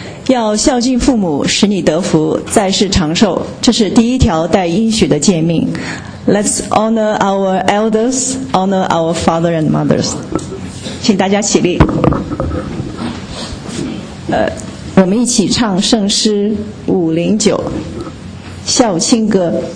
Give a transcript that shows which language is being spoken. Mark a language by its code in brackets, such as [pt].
[zh] 要孝敬父母，使你得福，在世长寿，这是第一条带应许的诫命。 [en] Let's honor our elders, honor our father and mothers. [zh] 请大家起立。我们一起唱圣诗509孝亲歌。